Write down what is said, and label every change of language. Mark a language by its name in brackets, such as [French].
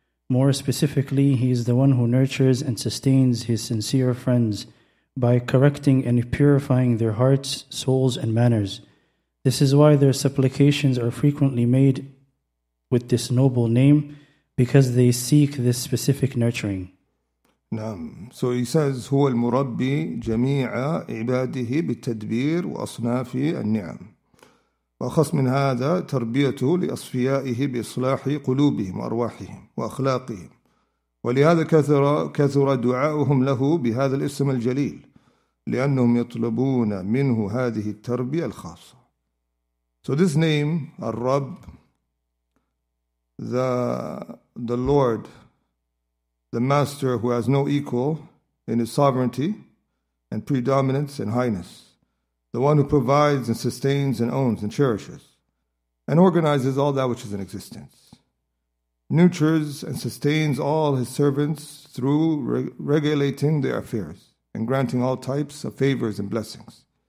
[English] More specifically, he is the one who nurtures and sustains his sincere friends by correcting and purifying their hearts, souls, and manners. This is why their supplications are frequently made with this noble name, because they seek this specific nurturing. So he says, [Arabic] هُوَ الْمُرَبِّي جَمِيعَ عِبَادِهِ بِالتَّدْبِيرِ وَأَصْنَافِ النِّعَمِ وأخص من هذا تربيته لأصفيائه بإصلاح قلوبهم وأرواحهم وأخلاقهم ولهذا كثر دعاؤهم له بهذا الاسم الجليل لأنهم يطلبون منه هذه التربية الخاصة. [English] So this name, Ar-Rabb, the Lord, the Master who has no equal in his sovereignty and predominance and highness, the one who provides and sustains and owns and cherishes and organizes all that which is in existence, nurtures and sustains all his servants through regulating their affairs and granting all types of favors and blessings.